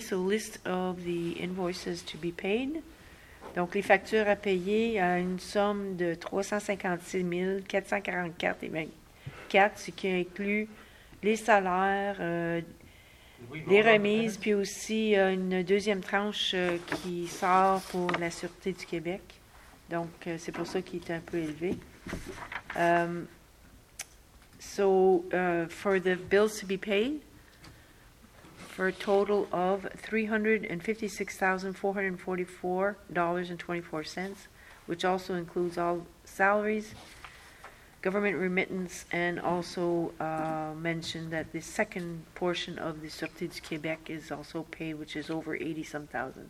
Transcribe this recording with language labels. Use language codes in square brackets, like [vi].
[en] So, list of the invoices to be paid. [fr] Donc, les factures à payer à une somme de 356 444, ce qui inclut... les salaires, les remises, puis aussi une deuxième tranche qui sort pour la Sûreté du Québec. Donc, c'est pour ça qu'il est un peu élevé. [en] For the bills to be paid, for a total of $356,444.24, which also includes all salaries, government remittance, and also mentioned that the second portion of the Sûreté du Québec is also paid, which is over 80-some thousand.